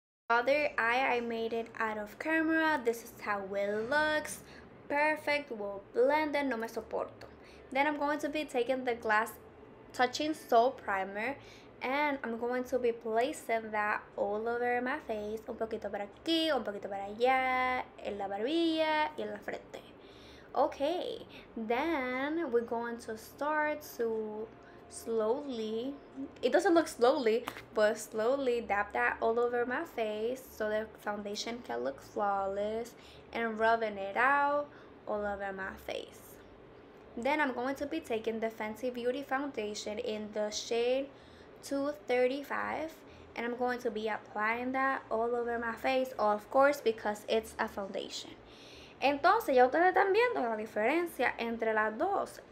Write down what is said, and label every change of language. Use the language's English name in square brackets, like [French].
[English] Other eye, I made it out of camera. This is how it looks. Perfect. Well blended. [Spanish] No me soporto. [English] Then I'm going to be taking the Glass Touching Soul Primer, and I'm going to be placing that all over my face. [Spanish] Un poquito para aquí, un poquito para allá, en la barbilla y en la frente. [English] Okay. Then we're going to start to slowly, it doesn't look slowly, but slowly dab that all over my face so the foundation can look flawless, and rubbing it out all over my face. Then I'm going to be taking the Fenty Beauty foundation in the shade 235, and I'm going to be applying that all over my face, of course, because it's a foundation. [Spanish] Entonces, ya ustedes están viendo la diferencia entre las dos.